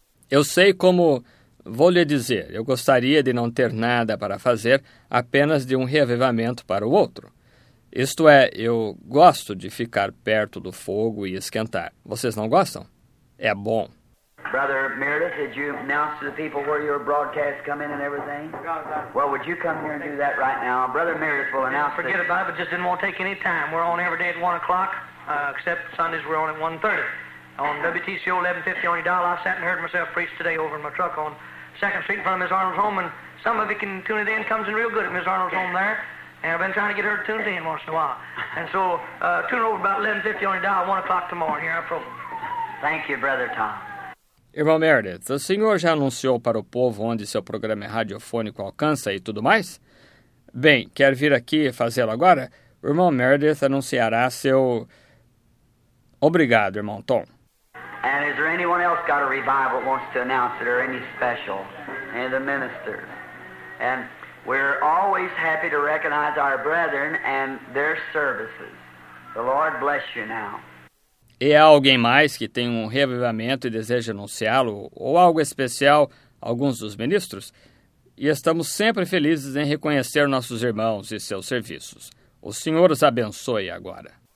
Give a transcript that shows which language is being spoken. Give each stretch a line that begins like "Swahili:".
Portuguese: Eu sei como... Vou lhe dizer, eu gostaria de não ter nada para fazer, apenas de um reavivamento para o outro. Isto é, eu gosto de ficar perto do fogo e esquentar. Vocês não gostam? É bom.
English: Brother Meredith, did you announce to the people where your broadcast come in and everything? Well, would you come here and do that right now? Brother Meredith will announce. Forget about it, but just didn't want to take any time. We're on every day at 1 o'clock, except Sundays we're on at 1:30. On WTCO 1150 on your dial, I sat and heard myself preach today over in my truck on 2nd Street in front of Ms. Arnold's home, and some of you can tune it in. Comes in real good at Ms. Arnold's home there, and I've been trying to get her tuned in once in a while. And so tune over about 1150 on your dial, 1 o'clock tomorrow, here our program. Thank you, Brother Tom.
Portuguese: Irmão Meredith, o senhor já anunciou para o povo onde seu programa radiofônico alcança e tudo mais? Bem, quer vir aqui fazê-lo agora? O irmão Meredith anunciará seu... Obrigado, irmão Tom.
English: And is there anyone else got a revival that wants to announce it or any special? Any of the ministers? And we're always happy to recognize our brethren and their services. The Lord bless you now.
Portuguese: E há alguém mais que tem um reavivamento e deseja anunciá-lo? Ou algo especial, alguns dos ministros? E estamos sempre felizes em reconhecer nossos irmãos e seus serviços. O Senhor os abençoe agora.